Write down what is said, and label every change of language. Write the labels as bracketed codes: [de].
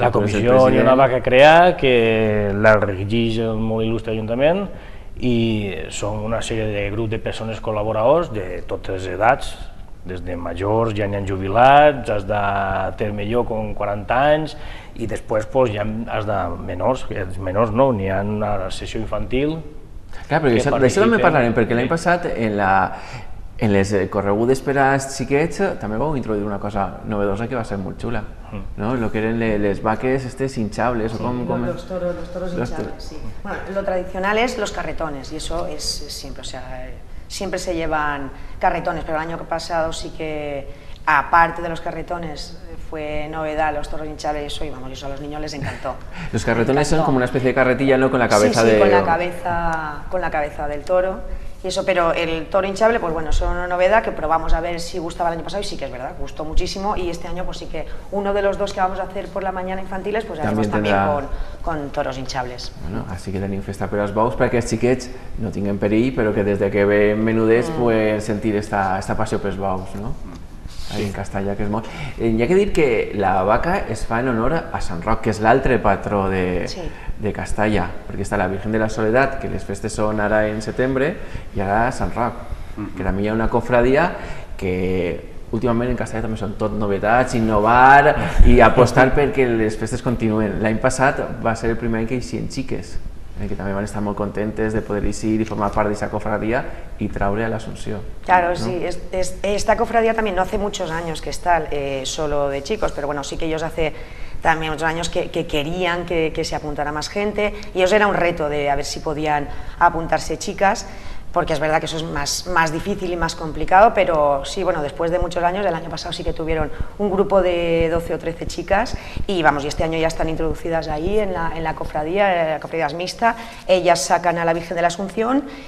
[ca] La comissió n'hi ha una vaca a crear que la regeix el molt il·lustre ajuntament, i som una sèrie de grup de persones col·laboradors de totes les edats, des de majors, ja n'hi ha jubilats, has de tenir millor com 40 anys, i després ja has de menors, els menors no, n'hi ha una sessió infantil. Clar, però d'això també parlarem, perquè l'any passat en les corregudes per als xiquets també vau introduir una cosa novedosa que va ser molt xula, no? El que eren les vaques estes hinchables, o com... [es] Los toros hinchables, sí. Bueno, lo tradicional es los carretones, y eso es siempre, o sea... Siempre se llevan carretones, pero el año pasado sí que, aparte de los carretones, fue novedad los toros hinchables y eso, y vamos, eso a los niños les encantó. Los carretones son como una especie de carretilla, ¿no?, con la cabeza sí, de... Sí, con la cabeza del toro y eso, pero el toro hinchable, pues bueno, son una novedad que probamos a ver si gustaba el año pasado y sí que es verdad, gustó muchísimo y este año pues sí que uno de los dos que vamos a hacer por la mañana infantiles, pues haremos también con toros hinchables. [ca] Bueno, así que tenim festa per als bous perquè els xiquets no tinguin perill, però que des que ven menudets puguen sentir esta passió pels bous, no? Sí. En Castalla, que és molt... Hi ha que dir que la vaca es fa en honor a Sant Roc, que és l'altre patró de Castalla, perquè està la Virgen de la Soledat, que les festes són ara en setembre, i ara Sant Roc, que també hi ha una cofradia que... Últimament en Castellà també són tot novetats, innovar i apostar perquè les festes continuen. L'any passat va ser el primer any que hi siguin xiques, que també van estar molt contentes de poder eixir i formar part d'aquesta cofradia i traure a l'Assumpció. [es] Claro, sí. Esta cofradia també no hace muchos años que está solo de chicos, pero bueno, sí que ellos hace también muchos años que querían que se apuntara más gente. Y eso era un reto de a ver si podían apuntarse chicas, porque es verdad que eso es más difícil y más complicado, pero sí, bueno, después de muchos años, el año pasado sí que tuvieron un grupo de 12 o 13 chicas, y vamos, y este año ya están introducidas ahí en la cofradía es mixta, ellas sacan a la Virgen de la Asunción